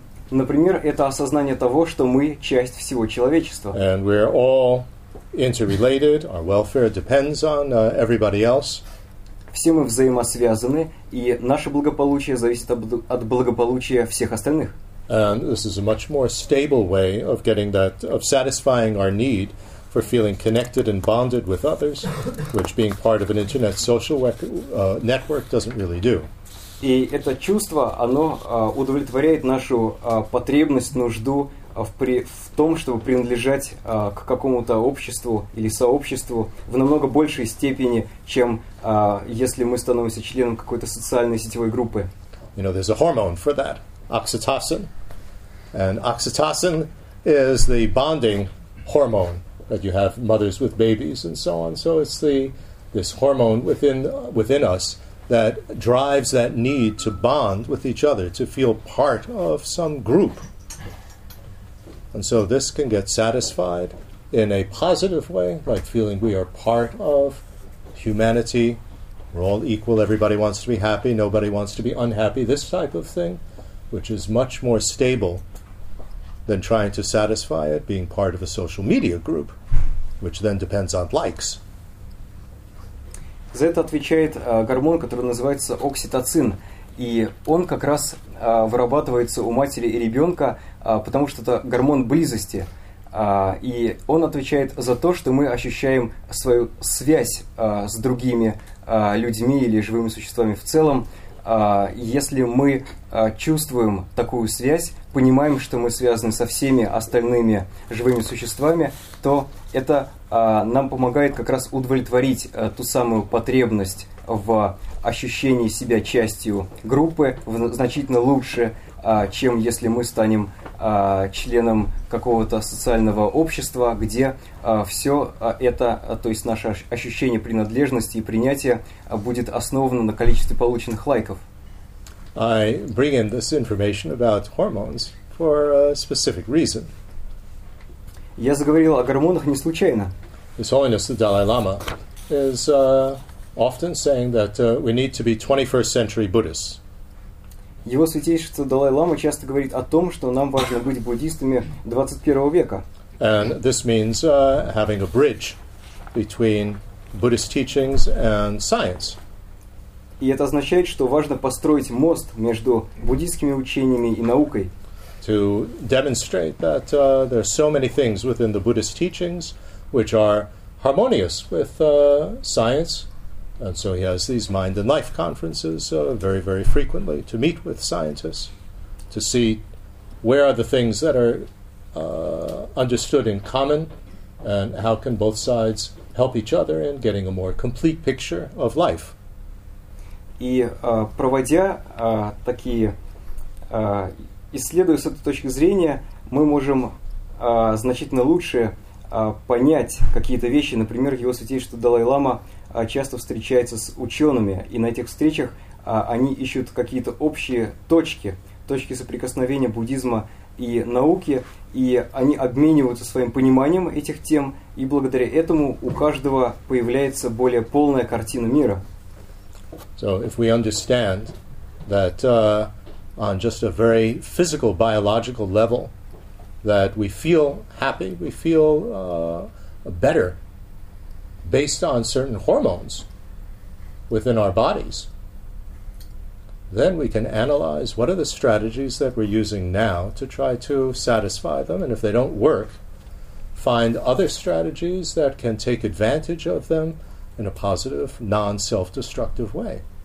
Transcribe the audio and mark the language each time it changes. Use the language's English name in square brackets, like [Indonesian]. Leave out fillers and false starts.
[Russian] Например, это осознание того, что мы часть всего человечества. [English] And we are all interrelated, our welfare depends on everybody else. [Russian] Все мы взаимосвязаны, и наше благополучие зависит от благополучия всех остальных. [English] And this is a much more stable way of getting that, of satisfying our need for feeling connected and bonded with others, which being part of an internet social network doesn't really do. [Russian] И это чувство, оно удовлетворяет нашу потребность, нужду в том, чтобы принадлежать к какому-то обществу или сообществу в намного большей степени, чем если мы становимся членом какой-то социальной сетевой группы. [English] You know, there's a hormone for that, oxytocin. And oxytocin is the bonding hormone that you have mothers with babies and so on. So it's this hormone within us that drives that need to bond with each other, to feel part of some group. And so this can get satisfied in a positive way, like feeling we are part of humanity, we're all equal, everybody wants to be happy, nobody wants to be unhappy, this type of thing, which is much more stable than trying to satisfy it being part of a social media group, which then depends on likes. [Russian] За это отвечает гормон, который называется окситоцин. И он как раз вырабатывается у матери и ребенка, потому что это гормон близости. И он отвечает за то, что мы ощущаем свою связь с другими людьми или живыми существами в целом. Если мы чувствуем такую связь, понимаем, что мы связаны со всеми остальными живыми существами, то это нам помогает как раз удовлетворить ту самую потребность в ощущении себя частью группы значительно лучше, чем если мы станем членом какого-то социального общества, где все это, то есть наше ощущение принадлежности и принятия будет основано на количестве полученных лайков. [English] I bring in this information about hormones for a specific reason. [Russian] Я заговорил о гормонах не случайно. [English] His Holiness the Dalai Lama is often saying that we need to be 21st century Buddhists. [Russian] Его святейшество Далай Лама часто говорит о том, что нам важно быть буддистами 21 века. [English] And this means having a bridge between Buddhist teachings and science. [Russian] И это означает, что важно построить мост между буддийскими учениями и наукой. [English] To demonstrate that there are so many things within the Buddhist teachings which are harmonious with science. And so he has these mind and life conferences very, very frequently to meet with scientists to see where are the things that are understood in common and how can both sides help each other in getting a more complete picture of life. [Russian] И проводя такие, исследуя с этой точки зрения, мы можем значительно лучше понять какие-то вещи. Например, его святейшество Далай-Лама часто встречается с учеными, и на этих встречах они ищут какие-то общие точки соприкосновения буддизма и науки, и они обмениваются своим пониманием этих тем, и благодаря этому у каждого появляется более полная картина мира. [English] So if we understand that on just a very physical, biological level, that we feel happy, we feel better based on certain hormones within our bodies, then we can analyze what are the strategies that we're using now to try to satisfy them, and if they don't work, find other strategies that can take advantage of them in a positive, non-self-destructive way.